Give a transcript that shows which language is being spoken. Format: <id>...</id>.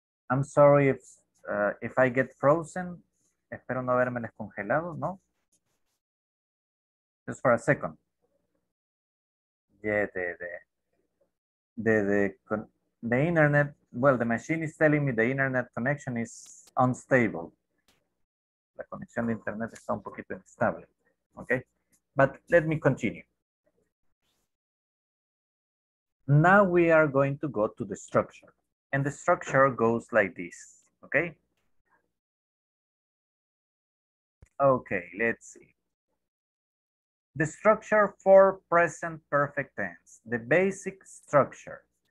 <en>I'm sorry if I get frozen.</en> <es>Espero no haberme descongelado, ¿no?</es> <en>Just for a second. The internet, well, the machine is telling me the internet connection is unstable.</en> <es>la conexión de internet está un poquito inestable.</es> <en>Okay, but let me continue. Now we are going to go to the structure. And the structure goes like this, okay? Okay, let's see. The structure for present perfect tense, the basic structure.</en>